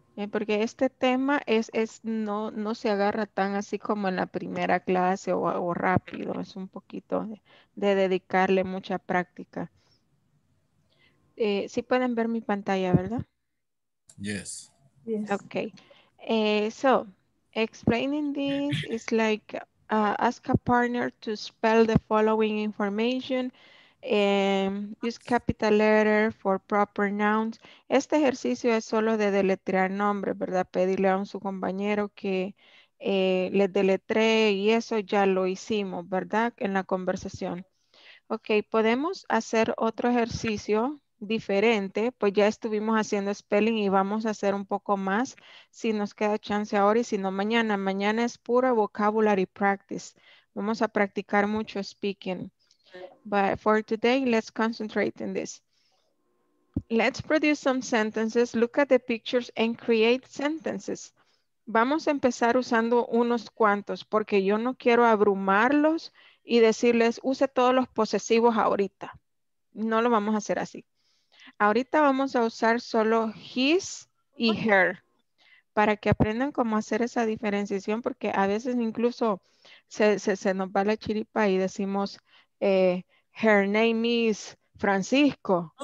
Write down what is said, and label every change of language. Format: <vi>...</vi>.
<es>Porque este tema no se agarra tan así como en la primera clase o rápido. Es un poquito de dedicarle mucha práctica. Sí pueden ver mi pantalla, ¿verdad?</es> <en>Yes. Ok. So, explaining this is like ask a partner to spell the following information. Use capital letter for proper nouns.</en> <es>Este ejercicio es solo de deletrear nombres, ¿verdad? Pedirle a su compañero que le deletree y eso ya lo hicimos, ¿verdad? En la conversación. Ok, podemos hacer otro ejercicio diferente, pues ya estuvimos haciendo spelling y vamos a hacer un poco más si nos queda chance ahora y si no mañana. Mañana es pura vocabulary practice. Vamos a practicar mucho speaking.</es> <en>But for today, let's concentrate in this. Let's produce some sentences, look at the pictures and create sentences.</en> <es>Vamos a empezar usando unos cuantos porque yo no quiero abrumarlos y decirles use todos los posesivos ahorita. No lo vamos a hacer así. Ahorita vamos a usar solo his y her para que aprendan cómo hacer esa diferenciación, porque a veces incluso se nos va la chiripa y decimos</es> <en>her name is Francisco.</en>